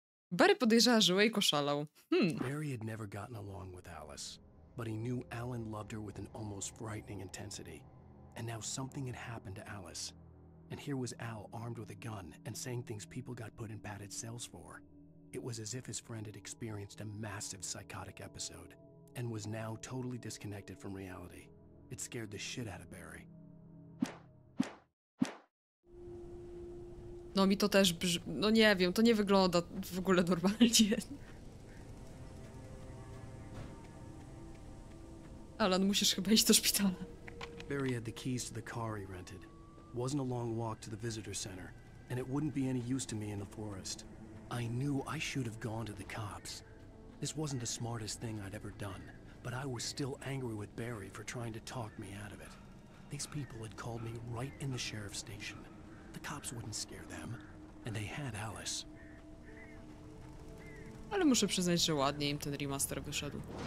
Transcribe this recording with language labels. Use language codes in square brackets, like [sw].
[pl] Barry podejrzewa, że Wake oszalał. [en] Barry had never gotten along with Alice, but he knew Alan loved her with an almost frightening intensity. And now something had happened to Alice. And here was Al armed with a gun and saying things people got put in padded cells for. It was as if his friend had experienced a massive psychotic episode and was now totally disconnected from reality. It scared the shit out of Barry. [pl] No mi to też no nie wiem, to nie wygląda w ogóle normalnie. Alan, musisz chyba iść do szpitala. [en] Barry had the keys to the car he rented. Wasn't a long walk to the visitor center, and it wouldn't be any use to me in the forest. I knew I should have gone to the cops. This wasn't the smartest thing I'd ever done, but I was still angry with Barry for trying to talk me out of it. These people had called me right in the sheriff's station. The cops wouldn't scare them, and they had Alice. [pl] Ale muszę przyznać, że ładnie im ten remaster wyszedł.